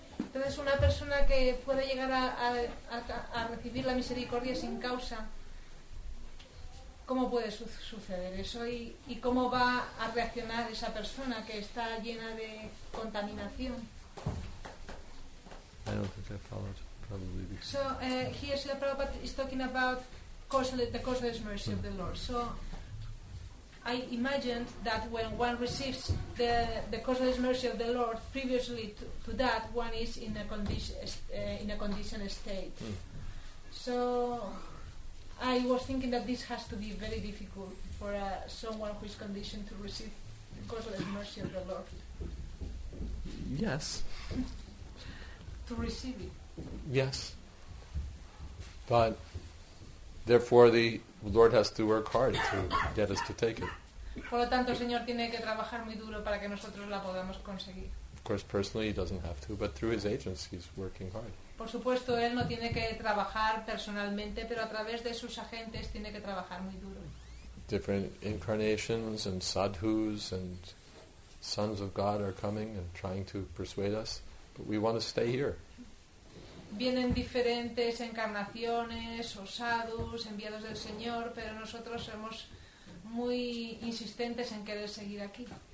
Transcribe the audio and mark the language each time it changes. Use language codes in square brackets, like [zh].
[es] Entonces, una persona que puede llegar a recibir la misericordia sin causa, ¿cómo puede suceder eso? ¿Y cómo va a reaccionar esa persona que está llena de contaminación? [en] I don't think I followed, probably. So, here Srila Prabhupada is talking about the causeless mercy of the Lord. So, I imagined that when one receives the causeless mercy of the Lord, previously to that, one is in a conditioned state. So, I was thinking that this has to be very difficult for someone who is conditioned to receive the causeless mercy of the Lord. Yes. To receive it. Yes. But, therefore, the Lord has to work hard to get us to take it. [es] Por lo tanto, el Señor tiene que trabajar muy duro para que nosotros la podamos conseguir. [en] Of course, personally, he doesn't have to, but through his agents, he's working hard. [es] Por supuesto, él no tiene que trabajar personalmente, pero a través de sus agentes tiene que trabajar muy duro. [en] Different incarnations and sadhus and sons of God are coming and trying to persuade us, but we want to stay here. [es] Vienen diferentes encarnaciones o sadhus, enviados del Señor, pero nosotros somos muy insistentes en querer seguir aquí.